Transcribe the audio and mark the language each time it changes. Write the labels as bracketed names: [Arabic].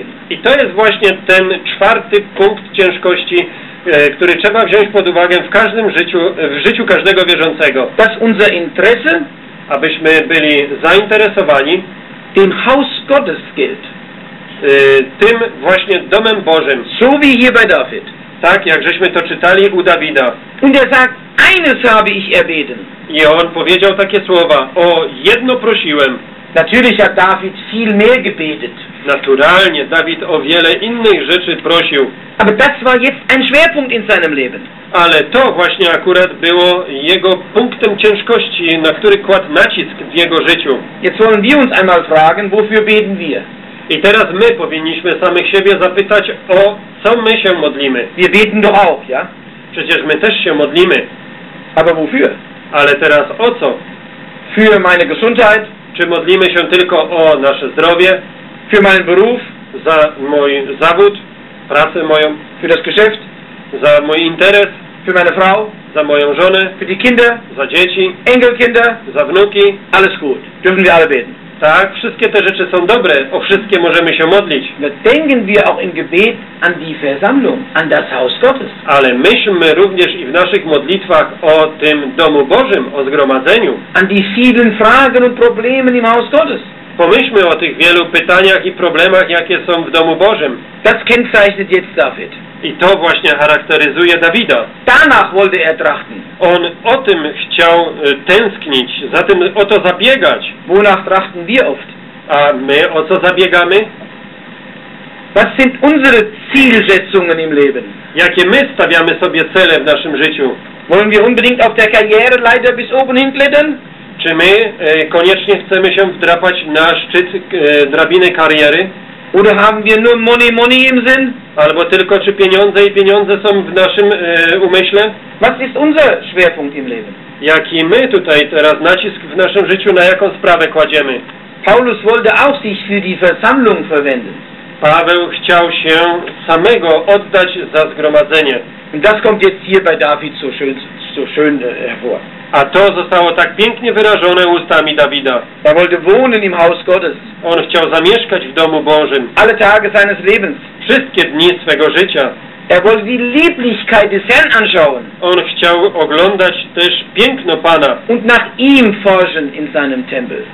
[Polish] I to jest właśnie ten czwarty punkt ciężkości, który trzeba wziąć pod uwagę w każdym życiu, w życiu każdego wierzącego. [German] Das unser Interesse, [Polish] abyśmy byli zainteresowani [German] dem Haus Gottes gilt. [Polish] Tym właśnie domem Bożym. [German] So wie hier bei David. [Polish] Tak, jak żeśmy to czytali u Dawida. [German] Und er sagt, eines habe ich erbeten. [Polish] I on powiedział takie słowa: o jedno prosiłem. [German] Natürlich hat David viel mehr gebetet. [Polish] Naturalnie Dawid o wiele innych rzeczy prosił. [German] Aber das war jetzt ein Schwerpunkt in seinem Leben. [Polish] Ale to właśnie akurat było jego punktem ciężkości, na który kładł nacisk w jego życiu. [German] Jetzt wollen wir uns einmal fragen, wofür beten wir? [Polish] I teraz my powinniśmy samych siebie zapytać, o co my się modlimy. [German] Wir beten doch auch, ja? [Polish] Przecież my też się modlimy. [German] Aber wofür? [Polish] Ale teraz o co? [German] Für meine Gesundheit. [Polish] Czy modlimy się tylko o nasze zdrowie? [German] Für meinen Beruf. [Polish] Za mój zawód, pracę moją. [German] Für das Geschäft. [Polish] Za mój interes. [German] Für meine Frau. [Polish] Za moją żonę. [German] Für die Kinder. [Polish] Za dzieci. [German] Enkelkinder. [Polish] Za wnuki. [German] Alles gut. Dürfen wir alle beten. [Polish] Tak, wszystkie te rzeczy są dobre, o wszystkie możemy się modlić. [German] Denken wir auch im Gebet an die Versammlung, an das Haus Gottes. [Polish] Ale myślmy również i w naszych modlitwach o tym domu Bożym, o zgromadzeniu. [German] An die vielen Fragen und Problemen im Haus Gottes. [Polish] Pomyślmy o tych wielu pytaniach i problemach, jakie są w domu Bożym. [German] Das kennzeichnet jetzt David. [Polish] I to właśnie charakteryzuje Dawida. [German] Danach wollte er trachten. [Polish] On o tym chciał tęsknić, za tym o to zabiegać. [German] Wonach trachten wir oft? [Polish] A my o co zabiegamy? [German] Was sind unsere Zielsetzungen im Leben? [Polish] Jakie my stawiamy sobie cele w naszym życiu? [German] Wollen wir unbedingt auf der Karriereleiter bis oben hinklettern? [Polish] Czy my koniecznie chcemy się wdrapać na szczyt drabiny kariery? [German] Oder haben wir nur money im Sinn? [Polish] Albo tylko czy pieniądze i pieniądze są w naszym umyśle? [German] Was ist unser Schwerpunkt im Leben? [Polish] Jaki my tutaj teraz nacisk w naszym życiu, na jaką sprawę kładziemy? [German] Paulus wollte auch sich für die Versammlung verwenden. [Polish] Paweł chciał się samego oddać za zgromadzenie. [German] Und das kommt jetzt hier bei David so schön hervor. [Polish] A to zostało tak pięknie wyrażone ustami Dawida. [German] Er wollte wohnen im Haus Gottes. [Polish] On chciał zamieszkać w domu Bożym. [German] Alle Tage seines Lebens. [Polish] Wszystkie dni swego życia. [German] Er wollte die Lieblichkeit des Herrn anschauen. [Polish] On chciał oglądać też piękno Pana. [German] Und nach ihm forschen in seinem Tempel.